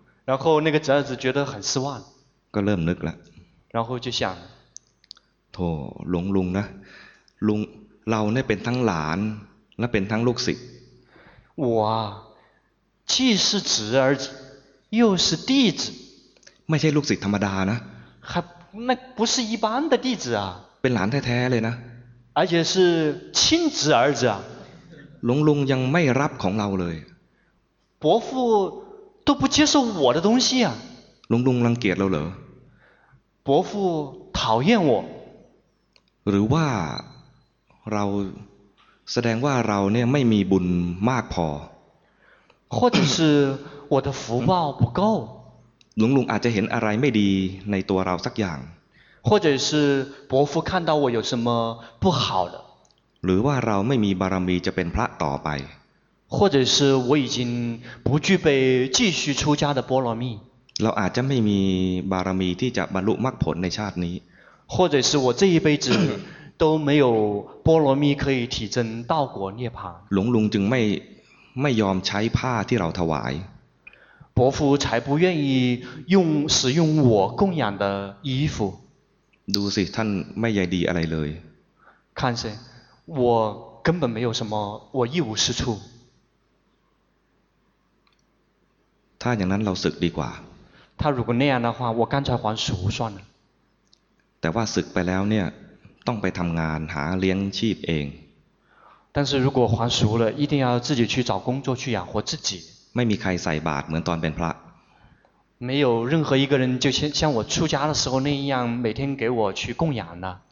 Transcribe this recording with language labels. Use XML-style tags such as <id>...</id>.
<zh>然后那个侄儿子觉得很失望</zh> <th>ก็เริ่มนึกละ</th> <zh>然后就想</zh> <th>โถหลวงลุงนะลุงเราเนี่ยเป็นทั้งหลานและเป็นทั้งลูกศิษย์</th> <zh>我既是侄儿子又是弟子</zh> <th>ไม่ใช่ลูกศิษย์ธรรมดานะ</th> <zh>ครับ那不是一般的弟子啊</zh> <th>เป็นหลานแท้ๆเลยนะ</th> <zh>而且是亲侄儿子啊</zh> <th>ลุงลุงยังไม่รับของเราเลย</th> <zh>伯父都不接受我的东西啊</zh> <th>ลุงลุงรังเกียจเราเหร</th> <zh>อ伯父讨厌我</zh> <th>หรือว่าเราแสดงว่าเราเนี่ยไม่มีบุญมากพอ</th> <zh>或者是我的福报不够</zh> <th>ลุงลุงอาจจะเห็นอะไรไม่ดีในตัวเราสักอย่าง</th> <zh>或者是伯父看到我有什么不好的</zh> <th>หรือว่าเราไม่มีบารมีจะเป็นพระต่อไป</th> <zh>或者是我已经不具备继续出家的波罗蜜</zh> <th>เราอาจจะไม่มีบารมีที่จะบรรลุมรรคผลในชาตินี้</th> <zh>或者是我这一辈子都没有波罗蜜可以体证道果涅槃</zh> <th>หลวงลุงจึงไม่ยอมใช้ผ้าที่เราถวาย</th> <zh>伯父才不愿意用使用我供养的衣服</zh> <th>ดูสิท่านไม่ใยดีอะไรเลย</th> <zh>看谁我根本没有什么我一无是处</zh> <th>ถ้าอย่างนั้นเราสึกดีกว่า</th> <zh>他如果那样的话我干脆还俗算了</zh> <th>แต่ว่าสึกไปแล้วเนี่ยต้องไปทำงานหาเลี้ยงชีพเอง</th> <zh>但是如果还俗了一定要自己去找工作去养活自己</zh> <th>ไม่มีใครใส่บาตรเหมือนตอนเป็นพระ</th> <zh>没有任何一个人就像我出家的时候那样每天给我去供养的</zh>